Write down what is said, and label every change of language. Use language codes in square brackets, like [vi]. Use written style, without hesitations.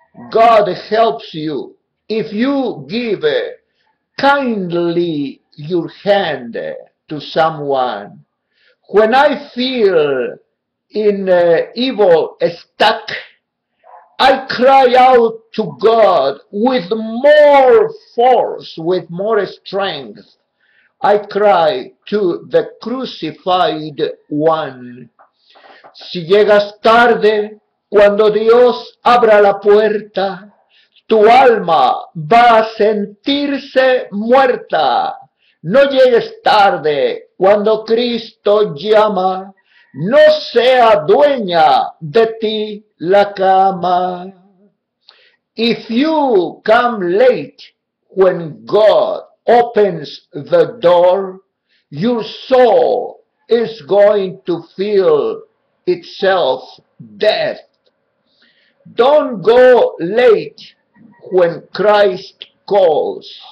[en] God helps you if you give kindly your hand to someone. When I feel in evil stuck, I cry out to God with more force, with more strength. I cry to the crucified one. [es] Si llegas tarde, cuando Dios abra la puerta, tu alma va a sentirse muerta. No llegues tarde, cuando Cristo llama, no sea dueña de ti la cama. [en] If you come late when God opens the door, your soul is going to feel itself death. Don't go late when Christ calls.